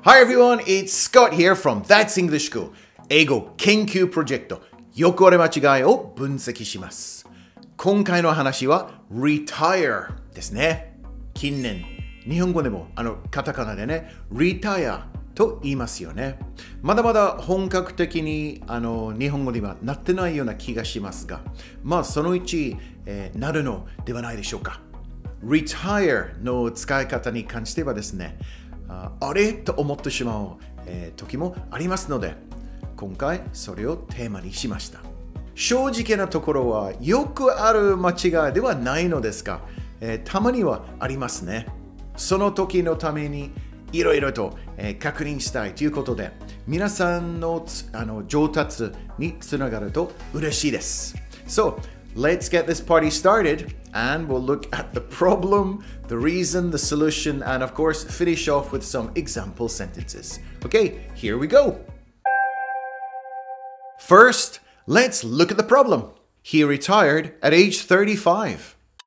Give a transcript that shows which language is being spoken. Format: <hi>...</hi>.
<en>Hi everyone, it's Scott here from That's English School.</en> <ja>英語研究プロジェクト、よく間違いを分析します。今回の話は retire ですね。近年、日本語でもカタカナでね、retire と言いますよね。まだまだ本格的に日本語にはなってないような気がしますが、まあそのうち、なるのではないでしょうか。 retire の使い方に関してはですね、あれと思ってしまう時もありますので、今回それをテーマにしました。正直なところはよくある間違いではないのですが、たまにはありますね。その時のためにいろいろと確認したいということで、皆さん の上達につながると嬉しいです。</ja> <en>So let's get this party startedAnd we'll look at the problem, the reason, the solution, and of course, finish off with some example sentences. Okay, here we go. First, let's look at the problem. He retired at age 35.</en>